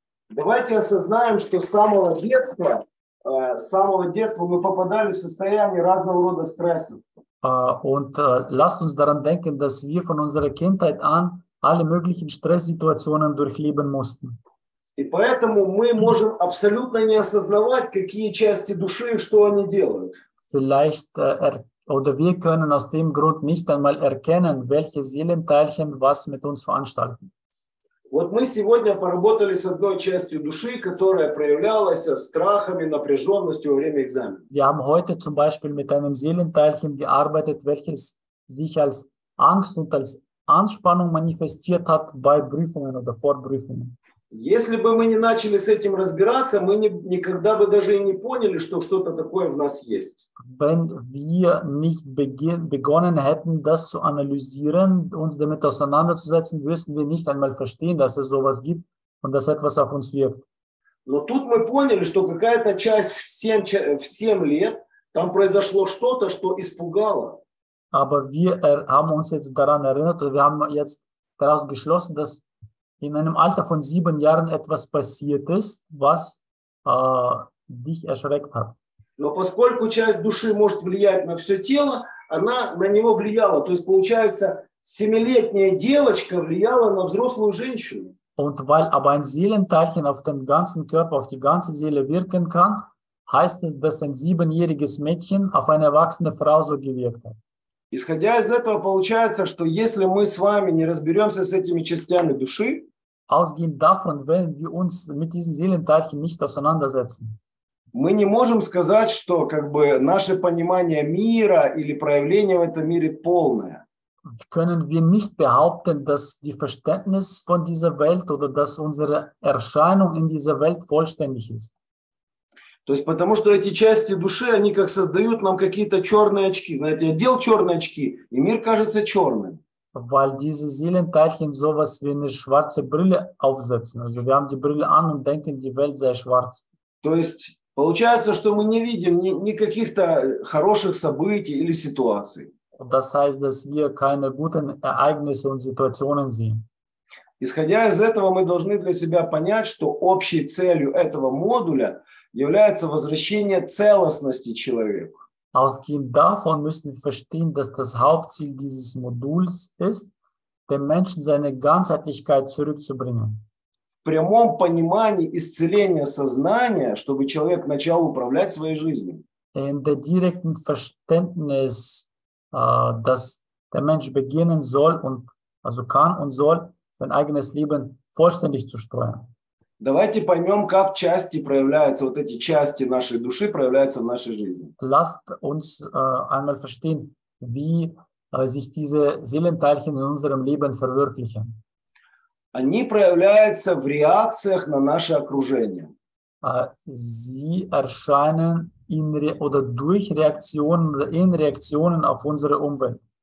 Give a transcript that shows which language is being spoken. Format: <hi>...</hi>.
<ru>Давайте осознаем, что с самого детства, мы попадали в состояние разного рода стресса.</ru> <de>Lasst uns daran denken, dass wir von unserer Kindheit an alle möglichen Stresssituationen durchleben mussten.</de> <ru>И поэтому мы можем абсолютно не осознавать, какие части души и что они делают.</ru> <de>Oder wir können aus dem Grund nicht einmal erkennen, welche Seelenteilchen was mit uns veranstalten.</de> <ru>Вот мы сегодня поработали с одной частью души, которая проявлялась страхами, напряженностью во время экзамена.</ru> <de>Wir haben heute zum Beispiel mit einem Seelenteilchen gearbeitet, welches sich als Angst und als Anspannung manifestiert hat bei Prüfungen oder vor Prüfungen.</de> <ru>Если бы мы не начали с этим разбираться, мы никогда бы даже и не поняли, что что-то такое в нас есть.</ru> <de>Wenn wir nicht begonnen hätten, das zu analysieren, uns damit auseinanderzusetzen, würden wir nicht einmal verstehen, dass es sowas gibt und dass etwas auf uns wirkt.</de> <ru>Но тут мы поняли, что какая-то часть в семь лет там произошло что-то, что испугало.</ru> <de>Aber wir haben uns jetzt daran erinnert, wir haben jetzt daraus geschlossen, dass in einem Alter von 7 Jahren etwas passiert ist, was dich erschreckt hat.</de> <ru>Но поскольку часть души может влиять на все тело, она на него влияла. То есть получается, 7-летняя девочка влияла на взрослую женщину.</ru> <de>Und weil aber ein Seelenteilchen auf den ganzen Körper, auf die ganze Seele wirken kann, heißt es, dass ein 7-jähriges Mädchen auf eine erwachsene Frau so gewirkt hat.</de> <ru>Исходя из этого, получается, что если мы с вами не разберемся с этими частями души,</ru> <de>ausgehend davon, wenn wir uns mit diesen Seelenteilchen nicht auseinandersetzen,</de> <ru>мы не можем сказать, что как бы наше понимание мира или проявление в этом мире полное.</ru> <de>Können wir nicht behaupten, dass die Verständnis von dieser Welt oder dass unsere Erscheinung in dieser Welt vollständig ist.</de> <ru>То есть потому, что эти части души, они как создают нам какие-то черные очки. Знаете, я одел черные очки, и мир кажется черным.</ru> <de>weil diese Seelenteilchen sowas wie eine schwarze Brille aufsetzen. Also wir haben die Brille an und denken, die Welt sei schwarz.</de> <ru>То есть получается, что мы не видим ни каких-то хороших событий или ситуаций.</ru> <de>Das heißt, dass wir keine guten Ereignisse und Situationen sehen.</de> <ru>Исходя из этого, мы должны для себя понять, что общей целью этого модуля является возвращение целостности человека.</ru> <de>Ausgehend davon müssen wir verstehen, dass das Hauptziel dieses Moduls ist, dem Menschen seine Ganzheitlichkeit zurückzubringen.</de> <ru>В прямом понимании исцеления сознания, чтобы человек начал управлять своей жизнью.</ru> <en>In the</en> <de>direkten Verständnis, dass der Mensch beginnen soll und also kann und soll sein eigenes Leben vollständig zu steuern.</de> <ru>Давайте поймем, как части проявляются, вот эти части нашей души проявляются в нашей жизни.</ru> <de>Lasst uns einmal verstehen, wie sich diese Seelenteilchen in unserem Leben verwirklichen.</de> <ru>Они проявляются в реакциях на наше окружение.</ru> <de>Sie erscheinen in oder durch Reaktionen oder in Reaktionen auf unsere Umwelt.</de>